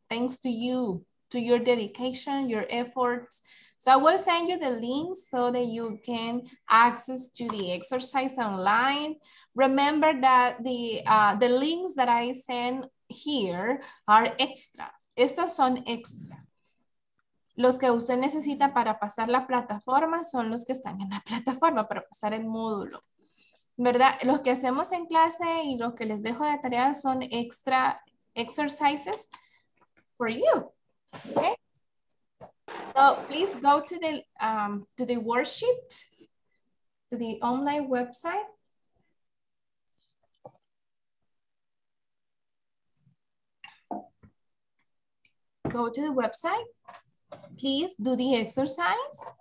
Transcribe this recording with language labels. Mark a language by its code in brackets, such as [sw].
[en] Thanks to you, to your dedication, your efforts. So I will send you the link so that you can access to the exercise online. Remember that the links that I send here are extra. [es] Estos son extra. Los que usted necesita para pasar la plataforma son los que están en la plataforma para pasar el módulo. ¿Verdad? Los que hacemos en clase y los que les dejo de tarea son [en] extra exercises for you. Okay. So please go to the worksheet, to the online website. Go to the website. Please do the exercise.